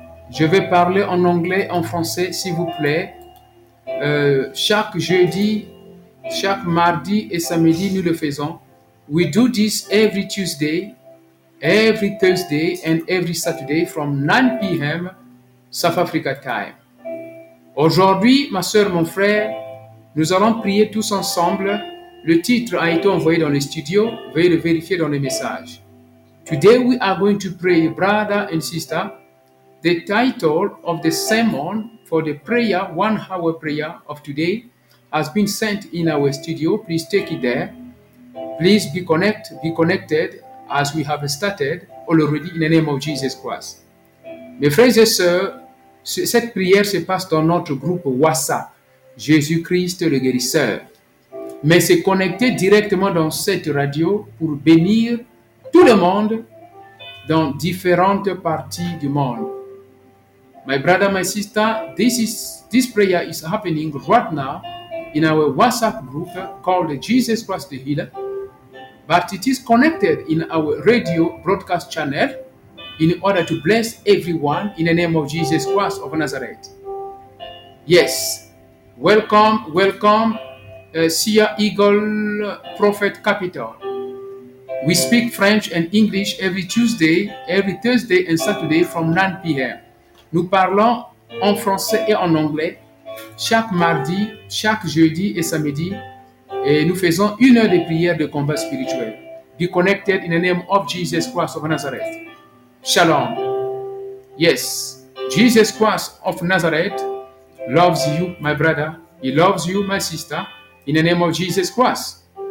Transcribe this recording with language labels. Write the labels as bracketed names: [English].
[French] Je vais parler en anglais, en français, s'il vous plaît. Chaque jeudi, chaque mardi et samedi, nous le faisons. [English] We do this every Tuesday, every Thursday and every Saturday from 9 p.m. South Africa time. [French] Aujourd'hui, ma soeur, mon frère, nous allons prier tous ensemble. Le titre a été envoyé dans le studio. Veuillez le vérifier dans les messages. [English] Today we are going to pray, brother and sister, the title of the sermon for the prayer, 1 hour prayer of today, has been sent in our studio. Please take it there. Please be connected as we have started already in the name of Jesus Christ. [French] Mes frères et sœurs, cette prière se passe dans notre groupe WhatsApp, Jésus-Christ le guérisseur. Mais se connecter directement dans cette radio pour bénir tout le monde dans différentes parties du monde. [English] My brother, my sister, this prayer is happening right now in our WhatsApp group called Jesus Christ the Healer, but it is connected in our radio broadcast channel in order to bless everyone in the name of Jesus Christ of Nazareth. Yes, welcome, Sia Eagle Prophet Capital. We speak French and English every Tuesday, every Thursday and Saturday from 9 p.m. [French] Nous parlons en français et en anglais chaque mardi, chaque jeudi et samedi. Et nous faisons une heure de prière de combat spirituel. [English] Be connected in the name of Jesus Christ of Nazareth. Shalom. Yes, Jesus Christ of Nazareth loves you, my brother. He loves you, my sister, in the name of Jesus Christ.